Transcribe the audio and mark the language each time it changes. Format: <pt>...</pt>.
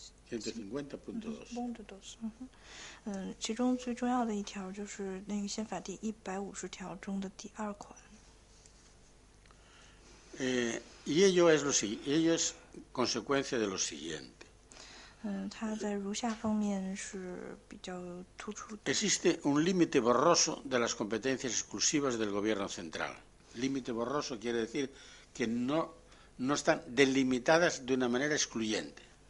<zh>150.2.其中最重要的一条就是那个宪法第150条中的第二款。</zh> <es>Y ello es lo siguiente, ello es consecuencia de lo siguiente.</es> <zh>它在如下方面是比较突出的。</zh> <es>Existe un límite borroso de las competencias exclusivas del gobierno central. Límite borroso quiere decir que no están delimitadas de una manera excluyente.</es>